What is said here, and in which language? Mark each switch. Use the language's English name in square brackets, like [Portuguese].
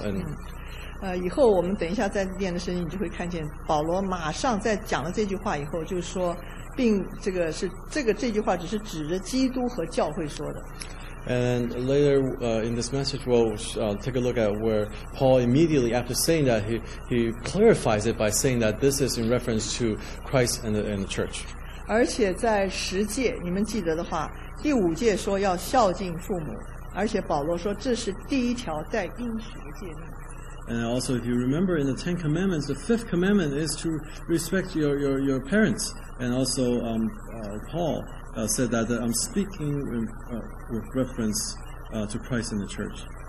[English] And [Chinese] 以后我们等一下再念的圣经，你就会看见保罗马上在讲了这句话以后，就是说，并这个是这句话只是指着基督和教会说的。 [English] And later in this message, we'll take a look at where Paul immediately after saying that, he clarifies it by saying that this is in reference to Christ and the church. [Chinese] 而且在十诫，你们记得的话，第五诫说要孝敬父母，而且保罗说这是第一条在应许的诫命。 [English] And also, if you remember in the Ten Commandments, the fifth commandment is to respect your parents. And also, Paul said that I'm speaking with reference to Christ and the church.